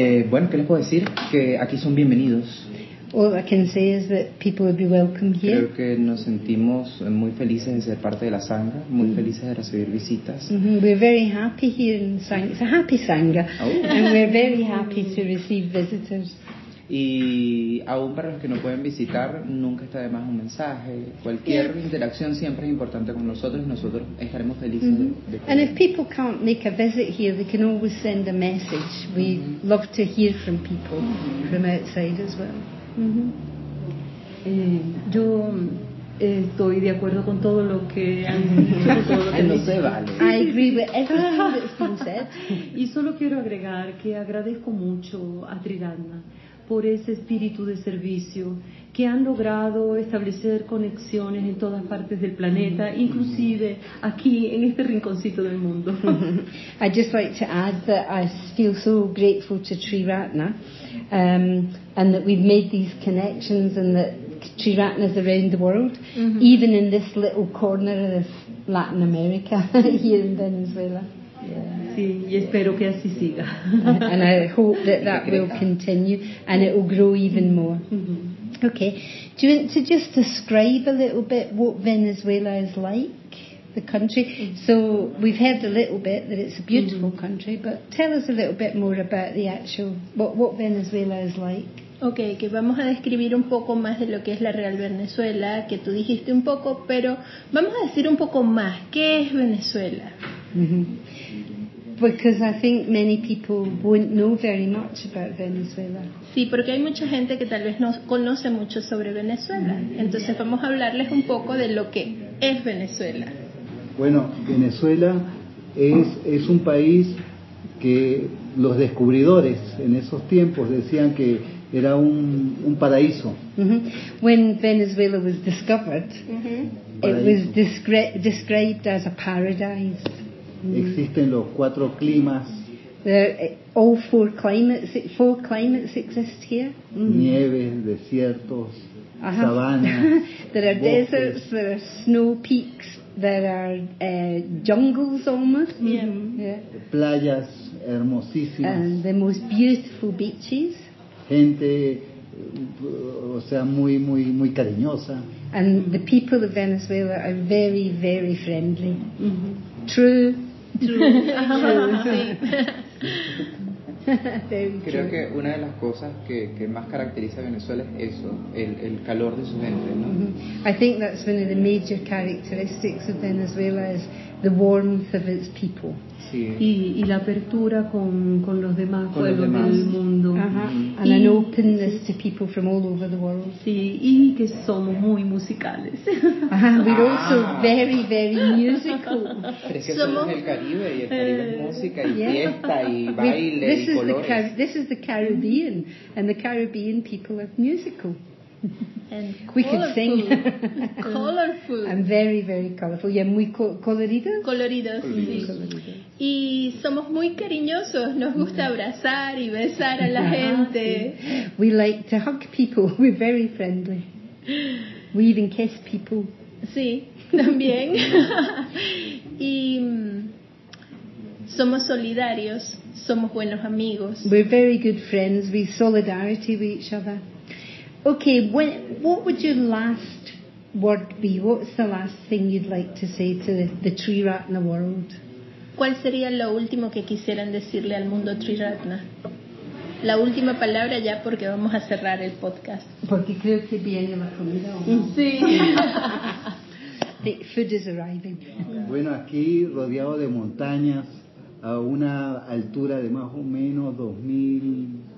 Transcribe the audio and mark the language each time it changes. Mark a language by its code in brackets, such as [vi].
[es] Bueno, qué les puedo decir, que aquí son bienvenidos. [en] All I can say is that people will be welcome here. [es] Creo que nos sentimos muy felices de ser parte de la sangha, muy felices de recibir visitas. [en] Mm-hmm. We're very happy here in sangha. It's a happy sangha, oh. And we're very happy to receive visitors. [es] Y aún para los que no pueden visitar, nunca está de más un mensaje. Cualquier interacción siempre es importante con nosotros y nosotros estaremos felices. Mm-hmm. De [en] and if people can't make a visit here, they can always send a message. We mm-hmm. love to hear from people mm-hmm. from outside as well. Mm-hmm. [es] Yo estoy de acuerdo con todo lo que han dicho. No se vale. [en] I agree with everything that's been said. [es] Y solo quiero agregar que agradezco mucho a Tridharma por ese espíritu de servicio que han logrado establecer conexiones en todas partes del planeta, inclusive aquí en este rinconcito del mundo. [en] I'd just like to add that I feel so grateful to Tri Ratna and that we've made these connections and that Tri Ratna is around the world, mm-hmm. even in this little corner of Latin America here in Venezuela. [es] Sí, y espero que así siga. [en] And I hope that that will continue and it will grow even more. Okay, do you want to just describe a little bit what Venezuela is like, the country? So we've heard a little bit that it's a beautiful country, but tell us a little bit more about the actual, what Venezuela is like. [es] Okay, que vamos a describir un poco más de lo que es la real Venezuela, que tú dijiste un poco, pero vamos a decir un poco más, ¿qué es Venezuela? Mm-hmm. [en] Because I think many people won't know very much about Venezuela. [es] Sí, porque hay mucha gente que tal vez no conoce mucho sobre Venezuela. Entonces vamos a hablarles un poco de lo que es Venezuela. Bueno, Venezuela es un país que los descubridores en esos tiempos decían que era un paraíso. Mm-hmm. [en] When Venezuela was discovered, it was described as a paradise. [es] Existen los cuatro climas. [en] All four climates exist here. [es] Mm-hmm. Nieves, desiertos, sabanas. [en] There are bosques. Deserts, there are snow peaks, there are jungles almost. Mm-hmm. Yeah. [es] Playas hermosísimas. [en] And the most beautiful beaches. [es] Gente, o sea, muy muy muy cariñosa. [en] And the people of Venezuela are very very friendly. Mm-hmm. True. [es] Creo que una de las cosas que más caracteriza a Venezuela es eso, el calor de su gente, ¿no? [en] I think that's one of the major characteristics of Venezuela is the warmth of its people. [es] Sí. Y la apertura con los demás pueblos del mundo. Uh-huh. [en] And an openness to people from all over the world. [es] Sí, y que somos muy musicales. [en] We're also very, very musical. [es] Somos el Caribe, y el Caribe es música y fiesta y baile y colores. [en] This is the Caribbean, and the Caribbean people are musical. And we could sing. Colorful. And very, very colorful. Yeah, [es] muy coloridos. Coloridos, sí. Y somos muy cariñosos. Nos gusta abrazar y besar a la gente. [en] Sí. We like to hug people. We're very friendly. We even kiss people. [es] Sí, también. Y somos solidarios. Somos buenos amigos. [en] We're very good friends. We solidarity with each other. Okay, what would your last word be? What's the last thing you'd like to say to the Tri Ratna world? [es] ¿Cuál sería lo último que quisieran decirle al mundo Tri Ratna? La última palabra ya porque vamos a cerrar el podcast. Porque creo que viene la comida. Sí. [en] The food is arriving. [es] Bueno, aquí rodeado de montañas, a una altura de más o menos 2,000...